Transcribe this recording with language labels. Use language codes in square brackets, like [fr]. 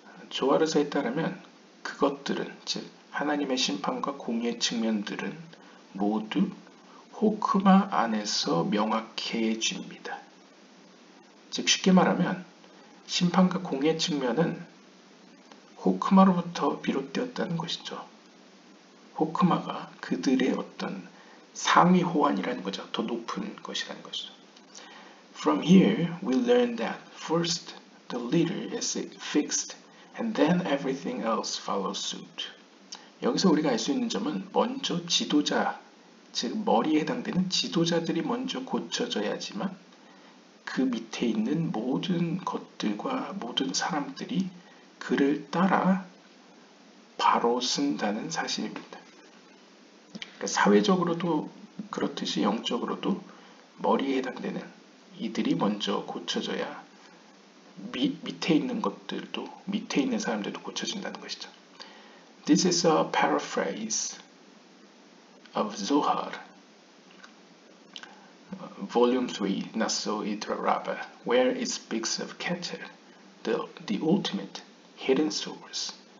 [ko] 조화르서에 따르면 그것들은 즉 하나님의 심판과 공의의 측면들은 모두 호크마 안에서 명확해집니다. 즉 쉽게 말하면 심판과 공의의 측면은 호크마로부터 비롯되었다는 것이죠. 호크마가 그들의 어떤 상위 호환이라는 거죠. 더 높은 것이라는 것이죠. [en] From here, we learn that first the leader is fixed and then everything else follows suit. [ko] 여기서 우리가 알 수 있는 점은 먼저 지도자, 즉 머리에 해당되는 지도자들이 먼저 고쳐져야지만 그 밑에 있는 모든 것들과 모든 사람들이 그를 따라 바로 쓴다는 사실입니다. 사회적으로도 그렇듯이 영적으로도 머리에 해당되는 이들이 먼저 고쳐져야 밑에 있는 것들도, 밑에 있는 사람들도 고쳐진다는 것이죠. [en] This is a paraphrase of Zohar, Volume 3, Naso Idra Rabba, where it speaks of Keter, the ultimate hidden source.